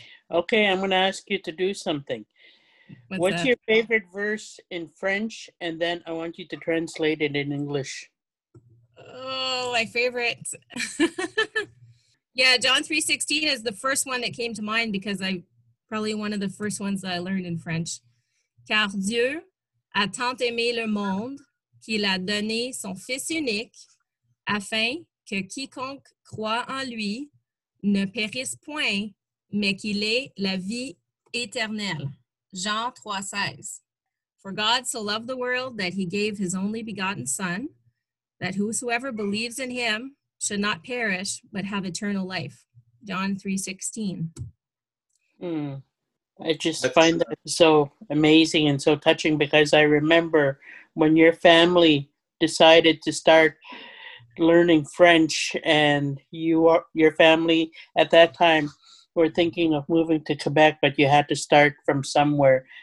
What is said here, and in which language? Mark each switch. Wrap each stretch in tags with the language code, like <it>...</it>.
<en>Okay, I'm going to ask you to do something. What's your favorite verse in French? And then I want you to translate it in English. Oh, my favorite. Yeah, John 3:16 is the first one that came to mind because I probably one of the first ones that I learned in French.</en> <fr>Car Dieu a tant aimé le monde qu'il a donné son fils unique afin que quiconque croit en lui ne périsse point, mais qu'il ait la vie éternelle. Jean 3:16.</fr> <en>For God so loved the world that he gave his only begotten Son, that whosoever believes in him should not perish, but have eternal life. John 3:16. I just find that so amazing and so touching because I remember when your family decided to start learning French and your family at that time were thinking of moving to Quebec, but you had to start from somewhere.</en>